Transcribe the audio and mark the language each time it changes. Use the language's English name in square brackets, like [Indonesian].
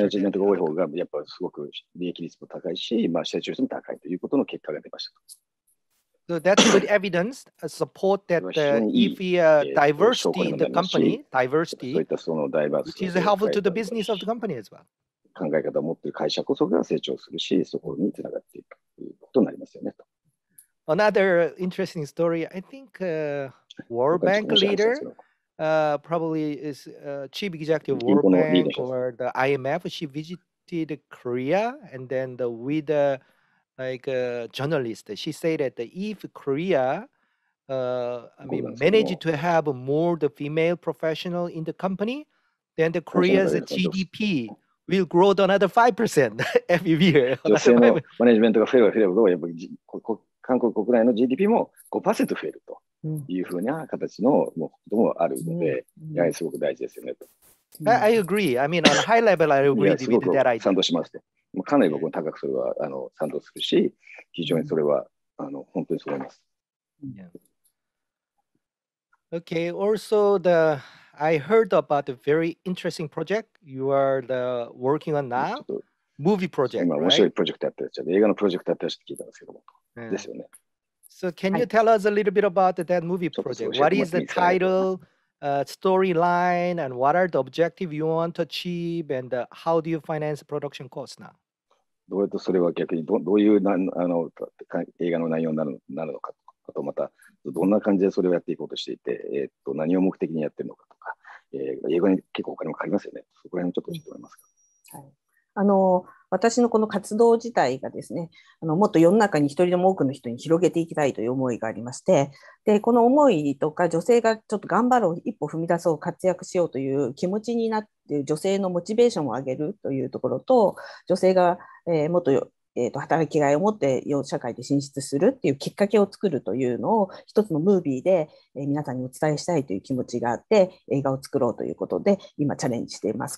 [Japanese] Management が多い方がやっぱすごく利益率も高いし、まあ成長率も高いということの結果が出ました。 [English] So that's good evidence, support that if diversity in the company, diversity, which is helpful to the business of the company as well. [Japanese] 考え方を持っている会社こそが成長するし、そこにつながっていくということになりますよねと。 [English] Another interesting story, I think World Bank leader, probably is chief executive of World Bank or the IMF, she visited Korea and then with a journalist, she said that if Korea managed to have more the female professional in the company, then the Korea's GDP will grow to another 5% every year. [Japanese] 女性のマネジメントが増えれば増えるほど、やっぱり韓国国内の GDP も 5% 増えるというふうな形のこともあるので、やはりすごく大事ですよねと。 [English] I agree. I mean, on a high level, I agree with that idea. [Japanese] すごく賛同しますと。かなり僕も高くそれは賛同するし、非常にそれは本当にそう思います。 [English] Yeah. Okay, also I heard about a very interesting project you are working on now. Movie project, right? [Japanese] 今面白いプロジェクトやってるじゃん。映画のプロジェクトやってるって聞いたんですけども。ですよね。 [English] So can you tell us a little bit about that movie project? What is the title, storyline, and what are the objective you want to achieve, and how do you finance production cost now? [Japanese] どうやってそれは逆にどういう映画の内容になるのか、あとまたどんな感じでそれをやっていこうとしていて、何を目的にやってるのかとか、映画に結構お金もかかりますよね。そこら辺ちょっと教えてもらえますか。私のこの活動自体がですね、もっと世の中に一人でも多くの人に広げていきたいという思いがありまして、で、この思いとか女性がちょっと頑張ろう、一歩踏み出そう、活躍しようという気持ちになって、女性のモチベーションを上げるというところと、女性が、もっと、働きがいを持って社会で進出するっていうきっかけを作るというのを一つのムービーで、皆さんにお伝えしたいという気持ちがあって、映画を作ろうということで今チャレンジしています。